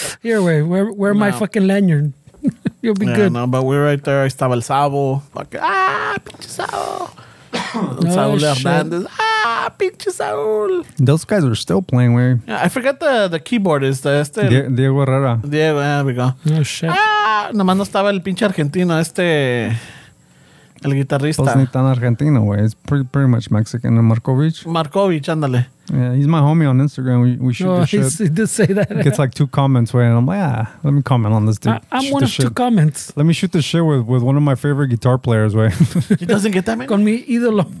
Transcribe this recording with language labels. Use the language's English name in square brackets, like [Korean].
[English] Here, wait. Wear my fucking lanyard. You'll be good. No, but we're right there. I [Spanish] estaba el Sabo. Pinche Sabo. [English] Saul Hernandez. [Spanish] Pinche Saul. [English] Those guys are still playing, weird. Yeah, I forget the keyboardist. Diego Herrera. Diego, there we go. Oh, shit. [Spanish] Nomás no estaba el pinche argentino, El guitarrista. Pues ni tan argentino, güey. [English] It's pretty much Mexican. And Markovich, [Spanish] ándale. [English] Yeah, he's my homie on Instagram. We should do shit. He did say that. Gets like two comments, way, and I'm like, let me comment on this dude. I'm one of two comments. Let me shoot the shit with one of my favorite guitar players, way. He doesn't get that many? [Spanish] Con mi ídolo.